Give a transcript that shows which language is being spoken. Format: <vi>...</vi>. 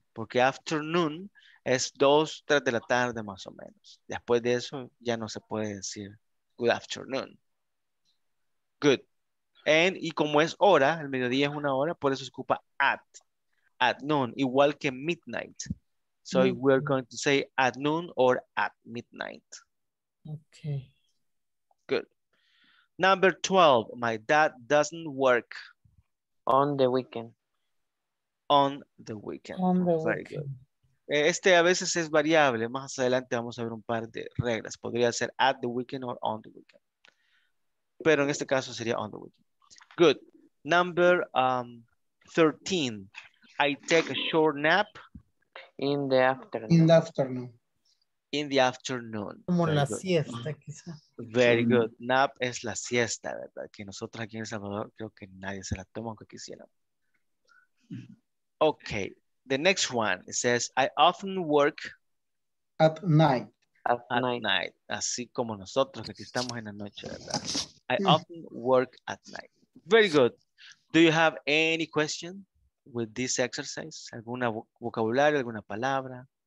<es>Porque afternoon es 2-3 de la tarde más o menos. Después de eso ya no se puede decir good afternoon. Good. Y como es hora, el mediodía es una hora, por eso se ocupa at noon, igual que midnight.</es> <en>So we're going to say at noon or at midnight. Okay. Good. Number 12, my dad doesn't work. On the weekend. On the weekend. On the weekend.</en> <es>Este a veces es variable. Más adelante vamos a ver un par de reglas. Podría ser</es> <en>at the weekend or on the weekend.</en> <es>Pero en este caso sería</es> <en>on the weekend. Good. Number 13, I take a short nap. In the afternoon. In the afternoon. In the afternoon.</en> <es>Como la siesta, quizás.</es> <en>Very good.</en> <es>Nap es la siesta, ¿verdad? Que nosotros aquí en El Salvador creo que nadie se la toma aunque quisiera.</es> <en>Okay. The next one. It says, I often work. At night. At night.</en> <es>Así como nosotros que estamos en la noche, ¿verdad?</es> <en>I often work at night. Very good. Do you have any question with this exercise?</en> <es>¿Alguna vocabulario, alguna palabra?</es>